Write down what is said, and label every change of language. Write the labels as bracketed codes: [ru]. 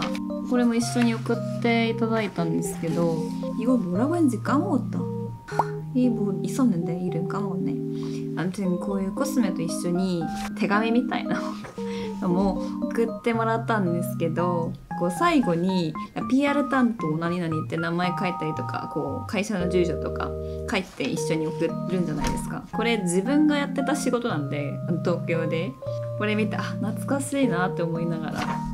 [ja] あとレブロンさんからパウダーといろいろ送ってもらって、今日このトーンアップクリームとこの何スキンライト、これを使ってメイクをしてみたんですけど、もう結構いい感じですね。ちょっと懐かしかったのが、これも一緒に送っていただいたんですけど、 [ko] 이거 뭐라고 했는지 까먹었다. 이거 있었는데 이름 까먹었네. 아무튼 [ja] こういうコスメと一緒に手紙みたいな 送ってもらったんですけど、最後に PR 担当何々って名前書いたりとか、こう会社の住所とか書いて一緒に送るんじゃないですか。これ自分がやってた仕事なんで、東京で。これ見た、懐かしいなって思いながら。はい。